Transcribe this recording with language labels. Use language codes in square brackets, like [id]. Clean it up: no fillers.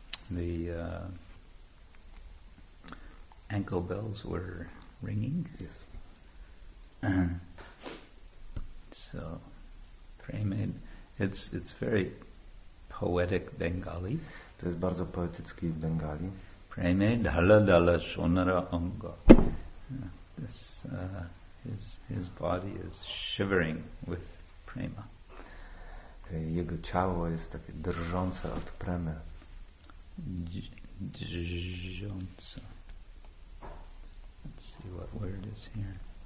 [en] The ankle bells were ringing. Yes. So, Premed, it's very poetic Bengali. [pl] To jest bardzo poetycki Bengali. [bn] Premed dala dala sonara anga. [en] This his body is shivering with prema. [pl] Jego ciało jest takie drżące od premy. Drżące. [en] Let's see what word is here.